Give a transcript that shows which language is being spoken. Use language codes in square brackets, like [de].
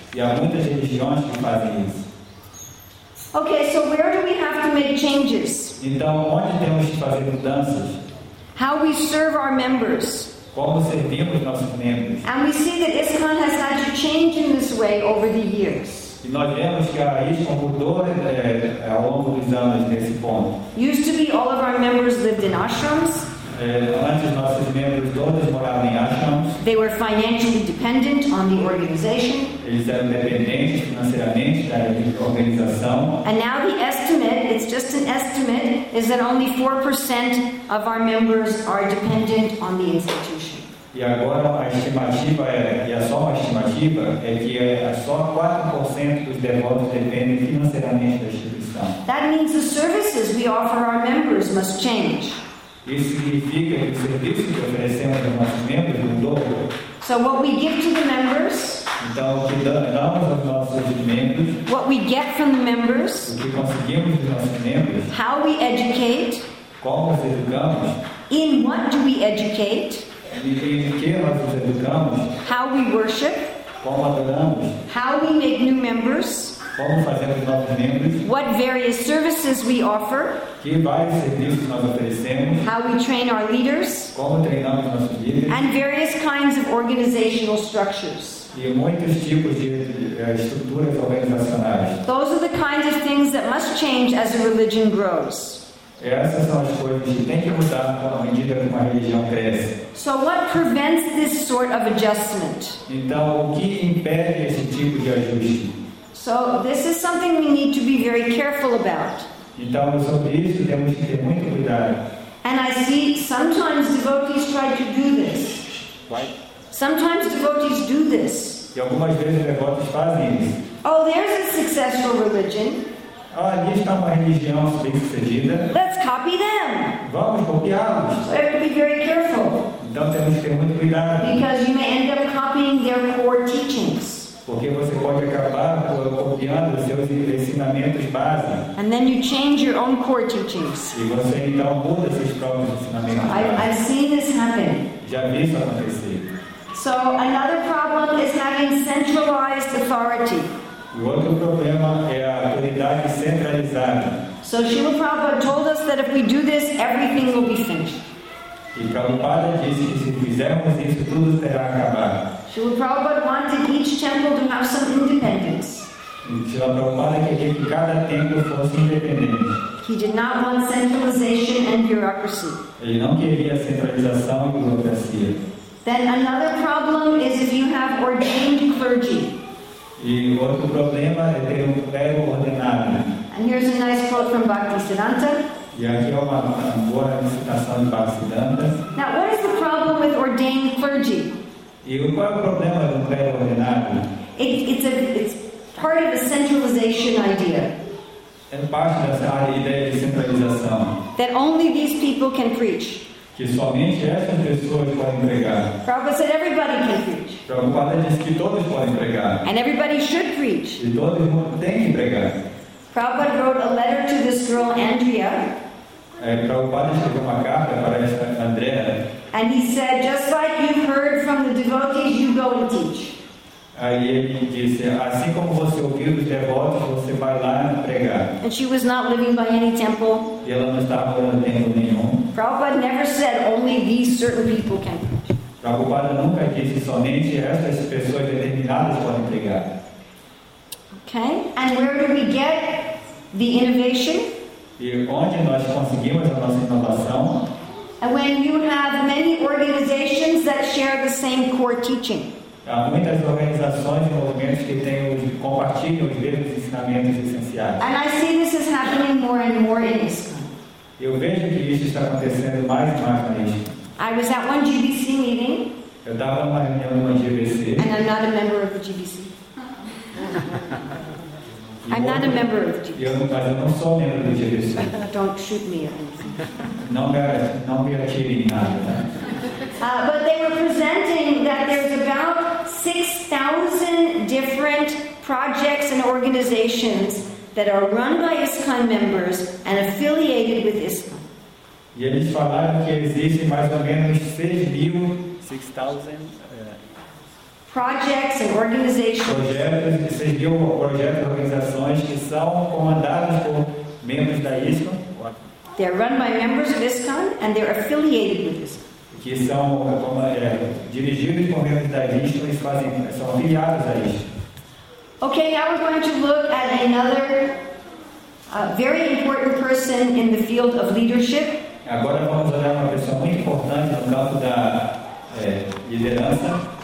[pt] E há muitas religiões que fazem isso. [en] Okay, so where do we have to make changes? [pt] Então, onde temos que fazer mudanças? [en] How we serve our members. [pt] Como servimos nossos membros. [en] And we see that ISKCON has had to change in this way over the years. [pt] E nós vemos que a ISKCON mudou ao longo dos anos nesse ponto. [en] Used to be all of our members lived in ashrams. [pt] Antes nossos membros todos moravam em ashrams. [en] They were financially dependent on the organization. [pt] Eles eram dependentes financeiramente da organização. [en] And now the estimate, it's just an estimate, is that only 4% of our members are dependent on the institution. [pt] E agora a estimativa é, e é só uma estimativa, é que é só 4% dos devotos dependem financeiramente da instituição. [en] That means the services we offer our members must change. [pt] Isso significa que o serviço que oferecemos aos nossos membros mudou. [en] So what we give to the members, [pt] então, o que damos aos nossos membros, [en] what we get from the members, [pt] o que conseguimos dos nossos membros, [en] how we educate, [pt] como os educamos, [en] in what do we educate, [pt] em que nós os educamos, [en] how we worship, [pt] como adoramos, [en] how we make new members, [pt] como fazemos novos membros, [en] what various services we offer, [pt] que vários serviços nós oferecemos, [en] how we train our leaders, [pt] como treinamos nossos líderes, [en] and various kinds of organizational structures. [pt] E muitos tipos de estruturas organizacionais. [en] Those are the kinds of things that must change as a religion grows. [pt] Essas são as coisas que têm que mudar à medida que uma religião cresce. [en] So what prevents this sort of adjustment? [pt] Então, o que impede esse tipo de ajuste? [en] So this is something we need to be very careful about. [pt] Então, sobre isso, temos que ter muito cuidado. [en] And I see sometimes devotees try to do this. What? Sometimes devotees do this. [pt] E algumas vezes devotees fazem isso. [en] Oh, there's a successful religion. [pt] Ah, ali está uma religião bem-sucedida. [en] Let's copy them. [pt] Vamos copiá-los. [en] We have to be very careful. [pt] Então temos que ter muito cuidado. [en] Because you may end up copying their core teachings. [pt] Porque você pode acabar copiando os seus ensinamentos base. [en] And then you change your own core teachings. [pt] E você então muda seus próprios ensinamentos. [en] I've seen this happen. [pt] Já vi isso acontecer. [en] So another problem is having centralized authority. [pt] O outro problema é a autoridade centralizada. [en] So Srila Prabhupada told us that if we do this, everything will be finished. [pt] E Prabhupada disse que se fizermos isso, tudo será acabado. [en] Srila Prabhupada wanted each temple to have some independence. [pt] Srila Prabhupada queria que cada templo fosse independente. [en] He did not want centralization and bureaucracy. [pt] Ele não queria centralização e burocracia. [en] Then another problem is if you have ordained clergy. [pt] E outro problema é ter clero ordenado. [en] And here's a nice quote from Bhaktisiddhanta. [pt] E aqui é uma boa citação de Bhaktisiddhanta. [en] Now, what is the problem with ordained clergy? [pt] E qual é o problema do clero ordenado? [en] It's part of a centralization idea. [pt] É parte dessa ideia de centralização. [en] That only these people can preach. [pt] Que somente essas pessoas podem pregar. [en] Prabhupada said everybody can preach. [pt] Prabhupada disse que todos podem pregar. [en] And everybody should preach. [pt] E todo mundo tem que pregar. [en] Prabhupada wrote a letter to this girl Andrea. [pt] Prabhupada escreveu uma carta para esta Andrea. [en] And he said, just like you've heard from the devotees, you go and teach. [pt] Aí ele disse, assim como você ouviu dos devotos, você vai lá pregar. [en] And she was not living by any temple. [pt] E ela não estava morando em templo nenhum. [en] Prabhupada never said only these certain people can preach. [pt] Prabhupada nunca disse somente essas pessoas determinadas podem pregar. [en] Okay, and where do we get the innovation? [pt] E onde nós conseguimos a nossa inovação? [en] And when you have many organizations that share the same core teaching. [pt] Há muitas organizações e movimentos que têm compartilham os mesmos ensinamentos essenciais. [en] And I see this is happening more and more in this. [pt] Eu vejo que isso está acontecendo mais e mais na Índia. [en] I was at one GBC meeting. [pt] Eu estava numa reunião numa GBC. [en] And I'm not a member of the GBC. I'm not a member of the GBC. [pt] Mas eu não sou membro do GBC. [en] Don't shoot me or anything. [pt] Não me atire em nada. [en] But they were presenting that there's about 6,000 different projects and organizations that are run by ISKCON members and affiliated with ISKCON. [pt] E eles falaram que existem mais ou menos 6,000 [en] projects and organizations. [pt] Projetos, organizações que são comandados por membros da ISKCON. [en] They're run by members of ISKCON and they're affiliated with ISKCON. [pt] Que são dirigidos por membros da ISKCON e são afiliados a ISKCON. [en] Okay, now we're going to look at another very important person in the field of leadership. [pt] Agora vamos olhar uma pessoa muito importante no campo da liderança.